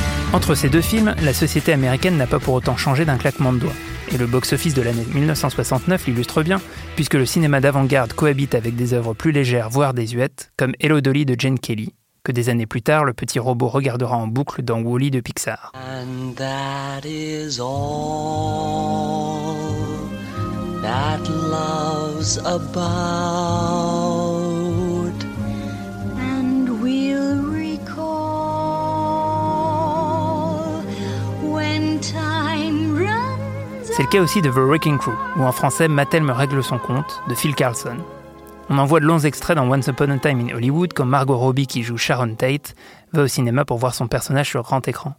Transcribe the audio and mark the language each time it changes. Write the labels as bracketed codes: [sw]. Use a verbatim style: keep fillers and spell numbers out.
[fr] Entre ces deux films, la société américaine n'a pas pour autant changé d'un claquement de doigts. Et le box-office de l'année dix-neuf cent soixante-neuf l'illustre bien, puisque le cinéma d'avant-garde cohabite avec des œuvres plus légères, voire désuètes, comme Hello Dolly de Gene Kelly, que des années plus tard, le petit robot regardera en boucle dans Wall-E de Pixar. [en] And that is all that love's about. And we'll [fr] C'est le cas aussi de The Wrecking Crew, ou en français Mattel me règle son compte, de Phil Carlson. On en voit de longs extraits dans Once Upon a Time in Hollywood quand Margot Robbie, qui joue Sharon Tate, va au cinéma pour voir son personnage sur grand écran.